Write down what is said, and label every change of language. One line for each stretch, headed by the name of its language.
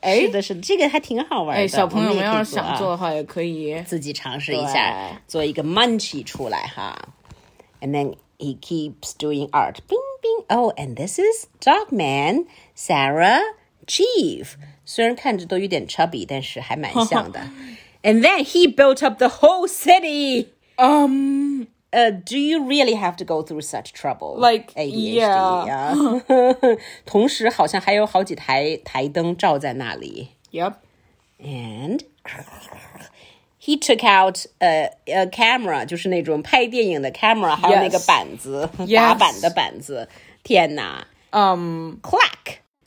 Chinese: 是的是的这个还挺好玩的小朋友们要是想做的话也可以自己尝试一下做一个
English: munchie
Chinese: 出来哈
English: and then he keeps doing art bing bing oh and this is Dogman Sarah Chief
Chinese: 虽然看着都有点
English: chubby
Chinese: 但是还蛮像的
English: and then he built up the whole city do you really have to go through such trouble? Like, ADHD, yeah.
Chinese: 同时好像还有好几台灯照在那里。
English: Yep. And he took out a camera,
Chinese: 就是那种拍电影的
English: camera,
Chinese: 还有那个板子、
English: yes.
Chinese: 打板的板子。天哪。Clack!